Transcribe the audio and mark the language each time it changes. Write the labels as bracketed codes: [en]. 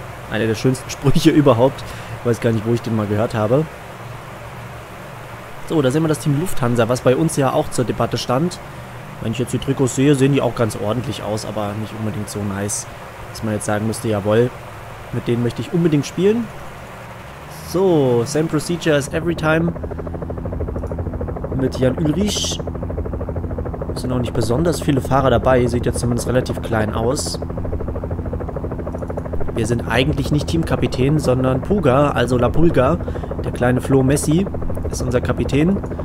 [de] Einer der schönsten Sprüche überhaupt. Ich weiß gar nicht, wo ich den mal gehört habe. So, da sehen wir das Team Lufthansa, was bei uns ja auch zur Debatte stand. Wenn ich jetzt die Trikots sehe, sehen die auch ganz ordentlich aus, aber nicht unbedingt so nice, dass man jetzt sagen müsste, jawohl, mit denen möchte ich unbedingt spielen. [en] So, same procedure as every time. [de] Mit Jan Ulrich. Sind auch nicht besonders viele Fahrer dabei. Sieht jetzt zumindest relativ klein aus. Wir sind eigentlich nicht Teamkapitän, sondern Puga, also La Pulga. Der kleine Flo Messi ist unser Kapitän.